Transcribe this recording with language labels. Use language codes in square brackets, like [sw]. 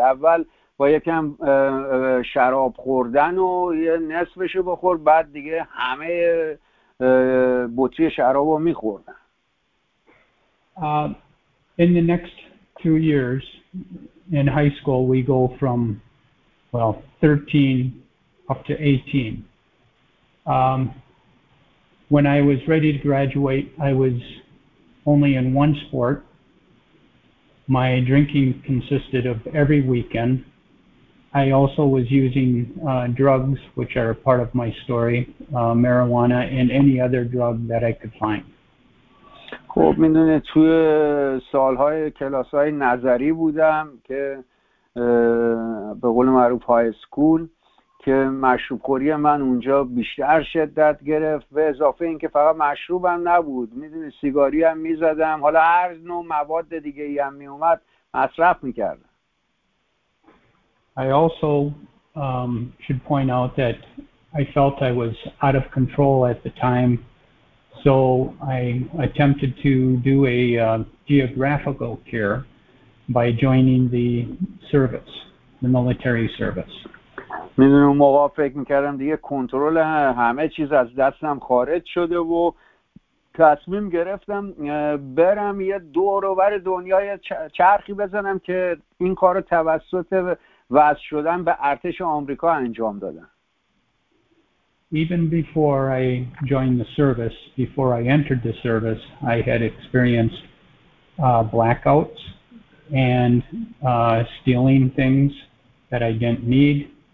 [fa] اول با یکم شراب خوردن و یه نصفشو بخور، بعد دیگه همه بطری شرابو میخوردن. [en] In the next 2 years in high school we go from 13 up to 18. When I was ready to graduate I was only in one sport. My drinking consisted of every weekend. I also was using drugs, which are part of my story, marijuana and any other drug that I could find. [fa] خب میدونه توی سالهای کلاسهای نظری بودم که به قول معروف های سکول، که مشروب خوری من اونجا بیشتر شدت گرفت، و اضافه این که فقط مشروبم نبود، میدونی سیگاری هم میزدم، حالا هر نوع مواد دیگه ای هم میومد مصرف میکردم. [en] I also should point out that I felt I was out of control at the time, so I attempted to do a geographical cure by joining the service, the military service. [fa] می‌دونم موقع فکر می‌کردم دیگه کنترل همه چیز از دستم خارج شده و تصمیم گرفتم برم یه دور و بر دنیای چرخی بزنم که این کارو توسط وضع شدن به ارتش آمریکا انجام دادم. [en] Even before I joined the service, before I entered the service, I had experienced blackouts and stealing things that I didn't need.